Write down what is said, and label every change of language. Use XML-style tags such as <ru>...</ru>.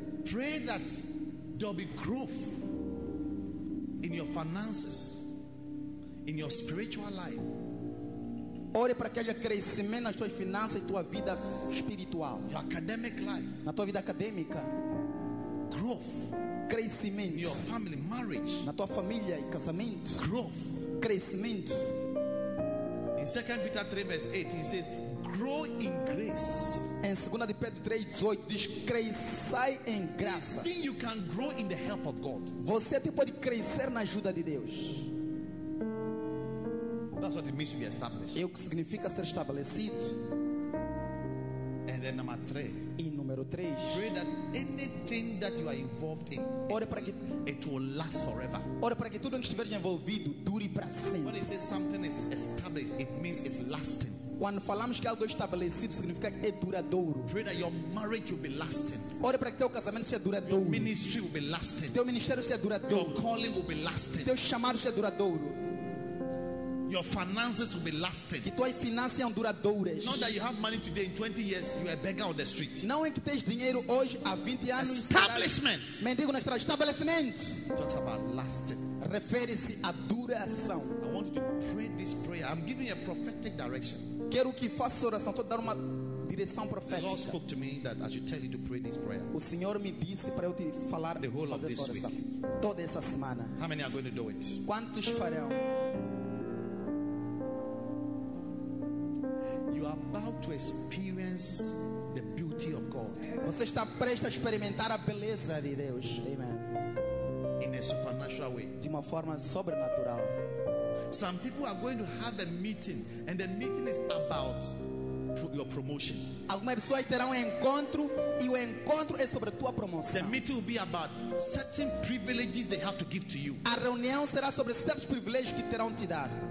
<en>Pray that there'll be growth in your finances, in your spiritual life.</en> <pt>Ore para que haja crescimento nas tuas finanças e tua vida espiritual.</pt> <en>Your academic life.</en> <pt>Na tua vida acadêmica.</pt> <en>Growth.</en> <pt>Crescimento.</pt> <en>In your family, marriage.</en> <pt>Na tua família e casamento.</pt> <en>Growth.</en> <pt>Crescimento.</pt> <en>In 2 Peter 3, verse 8, he says, grow in grace.</en> <pt>Em 2 Pedro 3, 18, diz, cresçai em graça.</pt> <en>Think you can grow in the help of God.</en> <pt>Você até pode crescer na ajuda de Deus.</pt> <en>That's what it means to be established.</en> <pt>É o que significa ser estabelecido.</pt> <en>And then number three.</en> <pt>E número três.</pt> <en>Pray that anything that you are involved in, it will last forever.</en> <pt>Ora para que tudo em que estiveres envolvido dure para sempre.</pt> <en>When it says something is established, it means it's lasting.</en> <pt>Quando falamos que algo é estabelecido, significa que é duradouro.</pt> <en>Pray that your marriage will be lasting.</en> <pt>Ore para que teu casamento seja duradouro.</pt> <en>Your ministry will be lasting.</en> <pt>Teu ministério seja duradouro.</pt> <en>Your calling will be lasting.</en> <pt>Teu chamado seja duradouro.</pt> <en>Your finances will be lasting.</en> <pt>Que tuas finanças sejam duradouras.</pt> <en>Not that you have money today, in 20 years you are a beggar on the street.</en> <pt>Não é que tens dinheiro hoje, há 20 anos.</pt> <en>Establishment.</en> <pt>Mendigo na estrada. Estabelecimento.</pt> <en>Talks about lasting.</en> <pt>Refere-se à duração.</pt> <en>I want you to pray this prayer. I'm giving you a prophetic direction.</en> <pt>Quero que faça oração. Estou dando uma direção profética.</pt> <en>The Lord spoke to me that I should tell you to pray this prayer.</en> <pt>O Senhor me disse para eu te falar</pt> <en>the whole</en> <pt>fazer</pt> <en>of this</en> <pt>oração.</pt> <en>Week.</en> <pt>Toda essa semana.</pt> <en>How many are going to do it?</en> <pt>Quantos farão?</pt> <en>About to experience the beauty of God.</en> <pt>Você está prestes a experimentar a beleza de Deus.</pt> <en>Amen. In a supernatural way.</en> <pt>De uma forma sobrenatural.</pt> <en>Some people are going to have a meeting, and the meeting is about your promotion.</en> <pt>Algumas pessoas terão um encontro e o encontro é sobre a tua promoção.</pt> <en>The meeting will be about certain privileges they have to give to you.</en> <pt>A reunião será sobre certos privilégios que terão te dar.</pt>